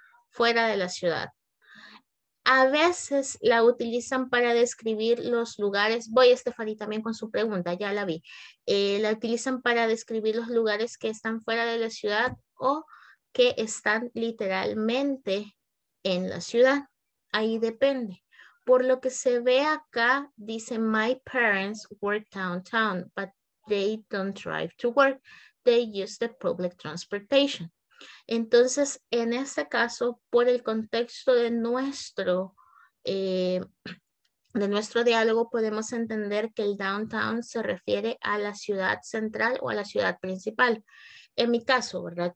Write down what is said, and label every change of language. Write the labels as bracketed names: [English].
[Spanish] Fuera de la ciudad. A veces la utilizan para describir los lugares. Voy, Estefany, también con su pregunta, ya la vi. La utilizan para describir los lugares que están fuera de la ciudad o que están literalmente en la ciudad. Ahí depende. Por lo que se ve acá, dice, [English] my parents work downtown, but they don't drive to work. They use the public transportation. [Spanish] Entonces, en este caso, por el contexto de nuestro diálogo, podemos entender que el downtown se refiere a la ciudad central o a la ciudad principal. En mi caso, ¿verdad?